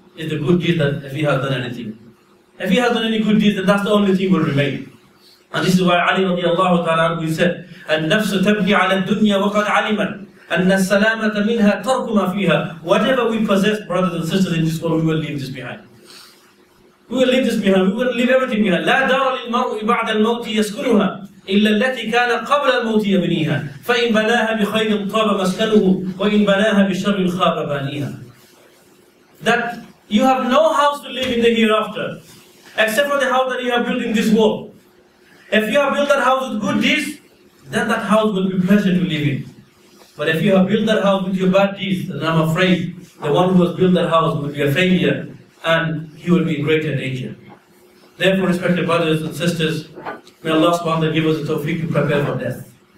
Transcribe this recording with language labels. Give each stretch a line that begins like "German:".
English: Is the good deed that if he has done anything. If he has done any good deed, then that's the only thing will remain. And this is why Ali radiallahu ta'ala we said,
Arabic: النَّفْسُ تَبْهِي عَلَى الدُّنْيَا وَقَدْ عَلِمًا أَنَّ السَّلَامَةَ مِنْهَا تَرْكُ مَا فِيهَا
English: Whatever we possess, brothers and sisters in this world, we will leave this behind. We will leave this behind. We will leave everything behind.
Arabic: لَا دَارَ لِلْمَرْءِ بَعْدَ الْمَوْتِ يَسْكُنُهَا إِلَّا الَّتِي كَانَ قَبْلَ الْمَوْتِ يَبْنِيهَا فَإِنْ بَنَاهَا بِخَيْرٍ طَابَ مَسْكَنُهُ وَإِنْ بَنَاهَا بِشَرٍ خَابَ بَانِيهَا
English: That you have no house to live in the hereafter, except for the house that you have built in this world. If you have built that house with good deeds, then that house will be pleasure to live in. But if you have built that house with your bad deeds, then I'm afraid the one who has built that house will be a failure and he will be in greater danger. Therefore, respected brothers and sisters, may Allah subhanahu wa ta'ala give us the tawfiq to prepare for death.